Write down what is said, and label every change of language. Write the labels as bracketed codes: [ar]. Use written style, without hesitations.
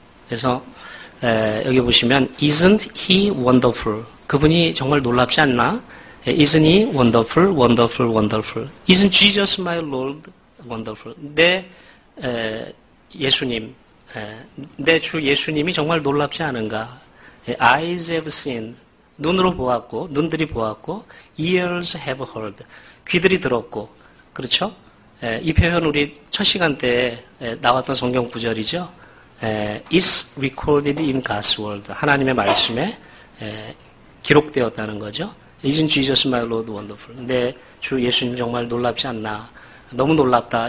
[ko] 그래서 여기 보시면 [en] Isn't he wonderful? [ko] 그분이 정말 놀랍지 않나? [en] Isn't he wonderful, wonderful, wonderful? Isn't Jesus my Lord wonderful? [ko] 내 예수님, 내주 예수님이 정말 놀랍지 않은가? [en] Eyes have seen, [ko] 눈으로 보았고, 눈들이 보았고, [en] ears have heard, [ko] 귀들이 들었고, 그렇죠? 이 표현 우리 첫 시간 때 나왔던 성경 구절이죠? [en] It's recorded in God's word, [ko] 하나님의 말씀에 기록되었다는 거죠. [en] Isn't Jesus my Lord wonderful? [ko] 내주 예수님 정말 놀랍지 않나? 너무 놀랍다.